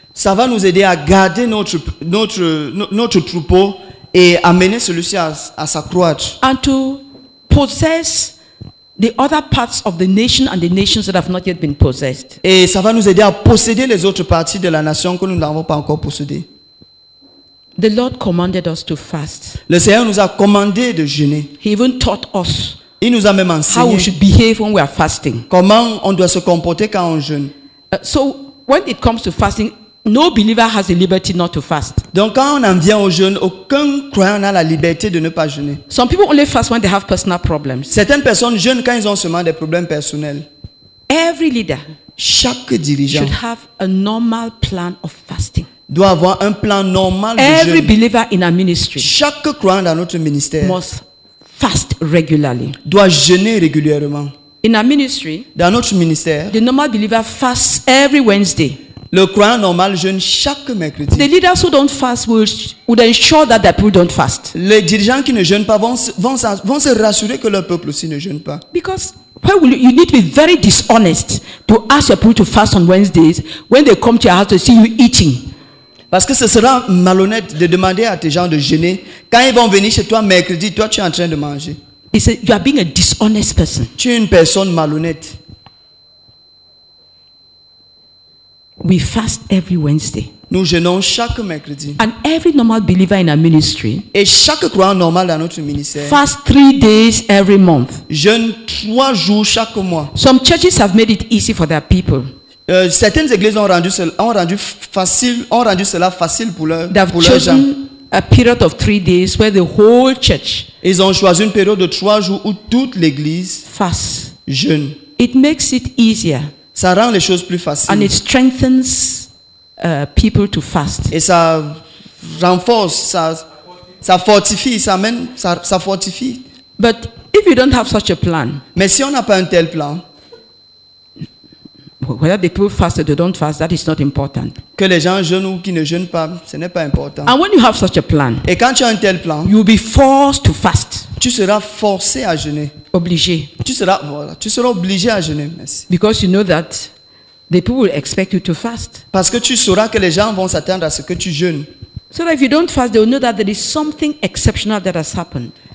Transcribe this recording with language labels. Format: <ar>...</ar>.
<fr>Ça va nous aider à garder notre troupeau et amener celui-ci à s'accroître.</fr> <en>And to possess the other parts of the nation and the nations that have not yet been possessed.</en> <fr>Et ça va nous aider à posséder les autres parties de la nation que nous n'avons pas encore possédées.</fr> <en>The Lord commanded us to fast.</en> <fr>Le Seigneur nous a commandé de jeûner.</fr> <en>He even taught us.</en> <fr>Il nous a même enseigné</fr> <en>how we should behave when we are fasting.</en> <fr>Comment on doit se comporter quand on jeûne.</fr> <en>So when it comes to fasting, no believer has the liberty not to fast.</en> <fr>Donc quand on en vient au jeûne, aucun croyant n'a la liberté de ne pas jeûner.</fr> <en>Some people only fast when they have personal problems.</en> <fr>Certaines personnes jeûnent quand ils ont seulement des problèmes personnels.</fr> <en>Every leader,</en> <fr>chaque dirigeant,</fr> <en>should have a normal plan of fasting.</en> <fr>Doit avoir un plan normal de</fr> <en>every</en> <fr>jeûne.</fr> <en>Every believer in our ministry,</en> <fr>chaque croyant dans notre ministère,</fr> <en>must fast regularly.</en> <fr>Doit jeûner régulièrement.</fr> <en>In our ministry,</en> <fr>dans notre ministère,</fr> <en>the normal believer fasts every Wednesday.</en> <fr>Le croyant normal jeûne chaque mercredi.</fr> <en>The leaders who don't fast would ensure that their people don't fast.</en> <fr>Les dirigeants qui ne jeûnent pas vont se rassurer que leur peuple aussi ne jeûne pas.</fr> <en>Because why will you need to be very dishonest to ask your people to fast on Wednesdays when they come to your house to see you eating?</en> <fr>Parce que ce sera malhonnête de demander à tes gens de jeûner quand ils vont venir chez toi mercredi, toi tu es en train de manger.</fr> <en>He said, you are being a dishonest person.</en> <fr>Tu es une personne malhonnête.</fr> <en>We fast every Wednesday.</en> <fr>Nous jeûnons chaque mercredi.</fr> <en>And every normal believer in our ministry.</en> <fr>Et chaque croyant normal dans notre ministère.</fr> <en>Fast 3 days every month.</en> <fr>Jeûne 3 jours chaque mois.</fr> <en>Some churches have made it easy for their people.</en> <fr>Certaines églises ont rendu cela facile pour leur</fr> <en>They've</en> <fr>pour leurs gens.</fr> <en>A period of 3 days where the whole church.</en> <fr>Ils ont choisi une période de 3 jours où toute l'église</fr> <en>fast</en> <fr>jeûne.</fr> <en>It makes it easier.</en> <fr>Ça rend les choses plus faciles.</fr> <en>And it strengthens people to fast.</en> <fr>Et ça renforce, ça fortifie.</fr> <en>But if you don't have such a plan.</en> <fr>Mais si on n'a pas un tel plan.</fr> <en>Whether the people fast or they don't fast, that is not important.</en> <fr>Que les gens jeûnent ou qui ne jeûnent pas, ce n'est pas important.</fr> <en>And when you have such a plan,</en> <fr>et quand tu as un tel plan,</fr> <en>you will be forced to fast.</en> <fr>Tu seras forcé à jeûner. Obligé. Tu seras obligé à jeûner. Merci.</fr> <en>Because you know that the people will expect you to fast.</en> <fr>Parce que tu sauras que les gens vont s'attendre à ce que tu jeûnes.</fr> <en>So that if you don't fast, they will know that there is something exceptional that has happened.</en>